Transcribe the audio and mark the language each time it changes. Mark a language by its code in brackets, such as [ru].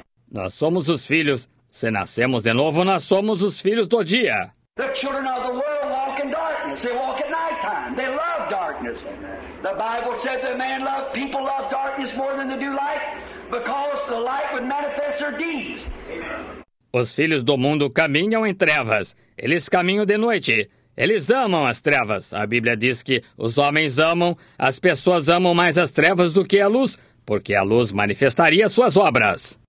[pt] Nós somos os filhos. Se nascemos de novo, nós somos os filhos do dia. [en] The children of the world walk in darkness. They walk at night time. They love darkness. The Bible said that man loved, people love darkness more than they do light. Because the light would manifest their deeds. [pt] Os filhos do mundo caminham em trevas. Eles caminham de noite. Eles amam as trevas. A Bíblia diz que os homens amam, as pessoas amam mais as trevas do que a luz, porque a luz manifestaria suas obras.